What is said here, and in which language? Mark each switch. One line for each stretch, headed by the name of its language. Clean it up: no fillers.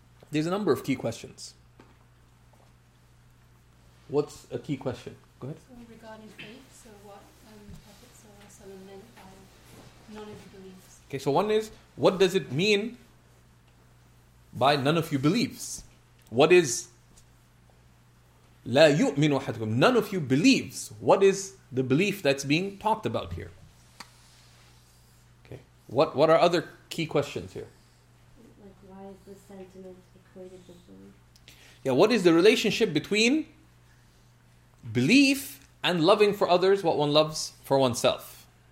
English: There's a number of key questions. What's a key question? Go ahead. So regarding faith, so what Prophet Sallallahu Alaihi Wasallam meant by none of you believes. Okay, so one is, what does it mean by none of you believes? What is
Arabic: لا يؤمن أحدكم?
English: None of you believes. What is the belief that's being talked about here? Okay. What are other key questions here? Like, why is this sentiment equated with belief? Yeah, what is the relationship between belief and loving for others what one loves for oneself?